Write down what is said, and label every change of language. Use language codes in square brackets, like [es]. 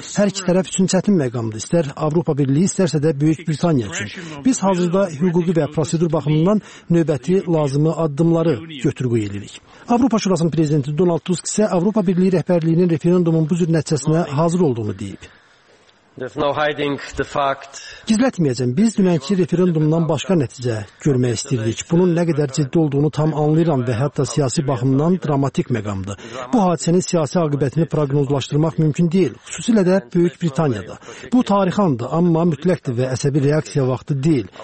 [az] Hər iki tərəf üçün çətin məqamdır, istər Avropa Birliyi, istərsə də Böyük Britaniya üçün. Biz hazırda hüquqi və prosedur baxımından növbəti lazımı addımları götürgü edirik. Avropa Şurasının prezidenti Donald Tusk isə Avropa Birliyi rəhbərliyinin referendumun bu cür nəticəsinə hazır olduğunu deyib. [en] There's no hiding the fact. [az] Gizlətməyəcəm, biz dünənki referendumdan başqa nəticə görmək istəyirdik. Bunun nə qədər ciddi olduğunu tam anlayıram və hətta siyasi baxımdan dramatik məqamdır. Bu hadisənin siyasi aqibətini proqnozlaşdırmaq mümkün deyil, xüsusilə də Böyük Britaniyada. Bu tarixandır, amma mütləqdir və əsəbi reaksiya vaxtı deyil.